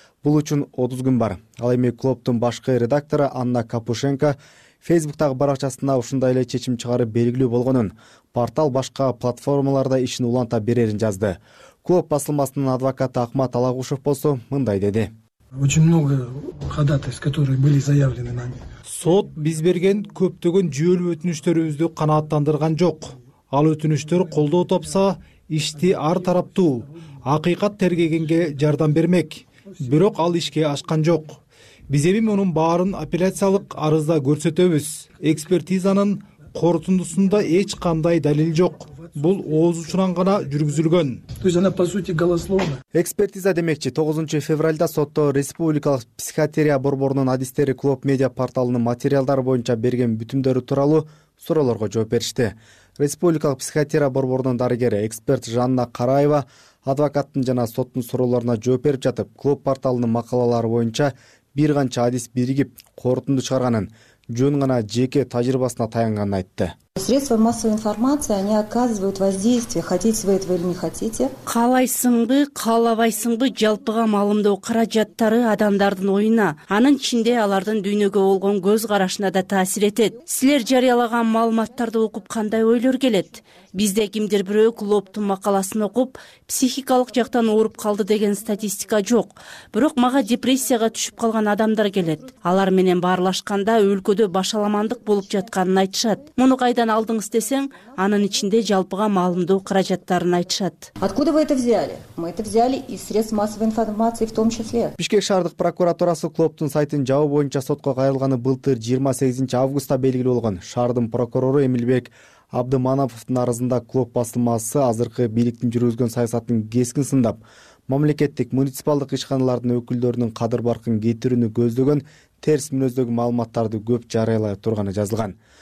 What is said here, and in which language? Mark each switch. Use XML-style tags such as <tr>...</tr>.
<ky>Бул үчүн 30 000 бар. Ал эми Клоптун башкы редактору Анна Капушенко Фейсбуктагы баракчасында ушундай эле чечим чыгарып белгилүү болгонун, портал башка платформаларда ишин уланта берерин жазды. Клоп басылмасынын адвокаты Ахмат Алагушев болсо мындай деди.</ky> <ru>Очень много ходатайств, которые были заявлены нами.</ru> <ky>Сот биз берген көптөгөн жүйөлүү өтүнүчтөрүбүздү канааттандырган жок. Ал өтүнүчтөр колдоо тапса, ишти ар тараптуу акыйкат тергегенге жардам бермек. Бирок ал ишке ашкан жок. Биз эми мунун баарын апелляциялык арызда көрсөтөбүз. Экспертизанын корутундусунда эч кандай далил жок. Бул ооз учунан гана жүргүзүлгөн.</ky> <ru>То есть она по сути голословна.</ru> <ky>Экспертиза демекчи, 9-февралда сотто Республикалык психиатрия борборунун адистери Клоп медиа порталынын материалдары боюнча берген бүтүмдөрү тууралуу суроолорго жооп беришти. Республикалык психиатрия борборунун дарыгери эксперт Жанна Караева адвокаттын жана соттун суроолоруна жооп берип жатып, Клоп порталынын макалалары боюнча бир канча адис биригип корутунду чыгарганын, жөн гана жеке тажрыйбасына таянганын айтты.</ky> <ru>Средства массовой информации, они оказывают воздействие, хотите вы этого или не хотите.</ru> <ky>Каалайсыңбы, каалабайсыңбы, жалпыга маалымдоо каражаттары адамдардын оюна, анын ичинде алардын дүйнөгө болгон көз карашына да таасир этет. Силер жарыялаган маалыматтарды окуп кандай ойлор келет? Бизде кимдир бирөө Клоптун макаласын окуп, психикалык жактан ооруп калды деген статистика жок. Бирок мага депрессияга түшүп калган адамдар келет. Алар менен баарлашканда өлкөдө башаламандык болуп жатканын айтышат. Муну кайдан алдыңыз десең, анын ичинде жалпыга маалымдоо каражаттарын айтышат.</ky> <ru>Откуда вы это взяли? Мы это взяли из средств массовой информации в том числе.</ru> <ky>Бишкек шаардык прокуратурасы Клоптун сайтын жабуу боюнча сотко кайрылганы былтыр 28 августта белгилүү болгон. Шаардын прокурору Эмилбек Абдымановдун арызында Клоп басылмасы азыркы бийликтин жүргүзгөн саясатын кескин сындап, мамлекеттик муниципалдык ишканалардын өкүлдөрүнүн кадыр баркын кетирүүнү көздөгөн терс мүнөздөгү маалыматтарды көп жарыялай турганы жазылган.</ky>